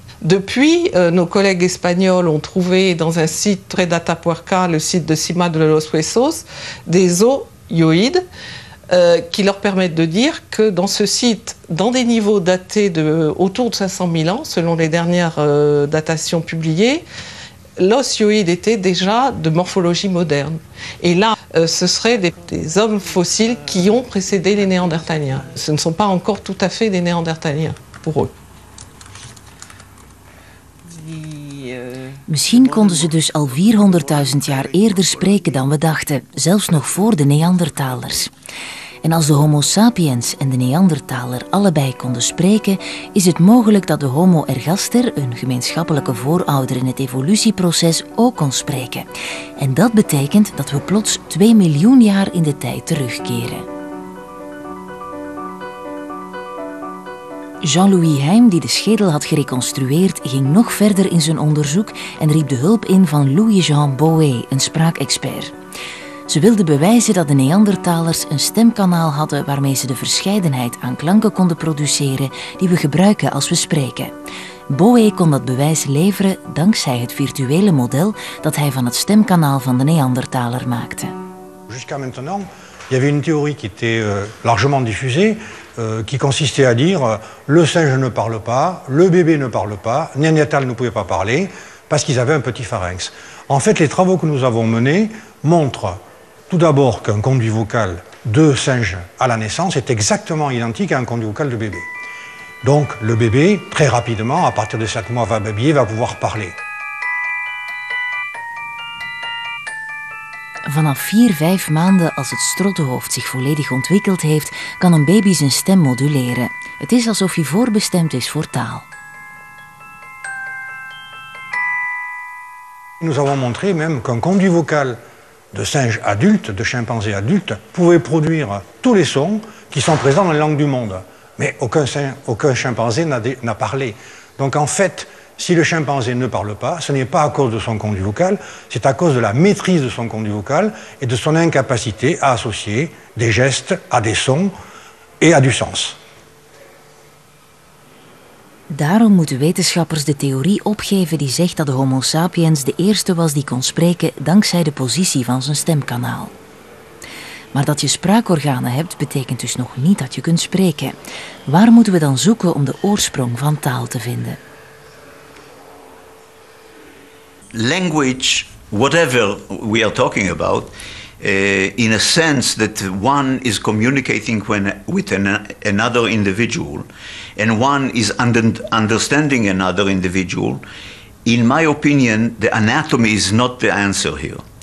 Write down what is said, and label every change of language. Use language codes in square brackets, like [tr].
[fr] Depuis, nos collègues espagnols ont trouvé dans un site près d'Atapuerca, le site de Cima de los Huesos, des os hyoïdes qui leur permettent de dire que dans ce site, dans des niveaux datés de autour de 500 000 ans, selon les dernières datations publiées, l'os hyoïde était déjà de morphologie moderne. Et là, ce seraient des hommes fossiles qui ont précédé les Néandertaliens. Ce ne sont pas encore tout à fait des Néandertaliens pour eux. [nl] Misschien konden ze dus al 400.000 jaar eerder spreken dan we dachten, zelfs nog voor de Neandertalers. En als de Homo sapiens en de Neandertaler allebei konden spreken, is het mogelijk dat de Homo ergaster, een gemeenschappelijke voorouder in het evolutieproces, ook kon spreken. En dat betekent dat we plots 2 miljoen jaar in de tijd terugkeren. Jean-Louis Heim, die de schedel had gereconstrueerd, ging nog verder in zijn onderzoek en riep de hulp in van Louis-Jean Bouet, een spraakexpert. Ze wilden bewijzen dat de Neandertalers een stemkanaal hadden waarmee ze de verscheidenheid aan klanken konden produceren die we gebruiken als we spreken. Bouet kon dat bewijs leveren dankzij het virtuele model dat hij van het stemkanaal van de Neandertaler maakte. [fr] Jusqu'à maintenant, il y avait une théorie qui était largement diffusée. Qui consistait à dire le singe ne parle pas, le bébé ne parle pas, Néandertal ne pouvait pas parler parce qu'ils avaient un petit pharynx. En fait, les travaux que nous avons menés montrent tout d'abord qu'un conduit vocal de singe à la naissance est exactement identique à un conduit vocal de bébé. Donc le bébé, très rapidement, à partir de 7 mois, va babiller, va pouvoir parler. [nl] Vanaf 4-5 maanden, als het strottenhoofd zich volledig ontwikkeld heeft, kan een baby zijn stem moduleren. Het is alsof hij voorbestemd is voor taal. [fr] Nous avons montré même qu'un conduit vocal de singes adultes, de chimpanzés adultes, pouvaient produire tous les sons qui sont présents dans les langues du monde. Mais aucun chimpanzé n'a parlé. Donc en fait, si le chimpanzé ne parle pas, ce n'est pas à cause de son conduit vocal, c'est à cause de la maîtrise de son conduit vocal et de son incapacité à associer des gestes à des sons et à du sens. [nl] Daarom moeten wetenschappers de theorie opgeven die zegt dat de Homo sapiens de eerste was die kon spreken dankzij de positie van zijn stemkanaal. Maar dat je spraakorganen hebt, betekent dus nog niet dat je kunt spreken. Waar moeten we dan zoeken om de oorsprong van taal te vinden? [en] Language, whatever we are talking about, in a sense that one is communicating with another individual and one is understanding another individual, in my opinion, the anatomy is not the answer here.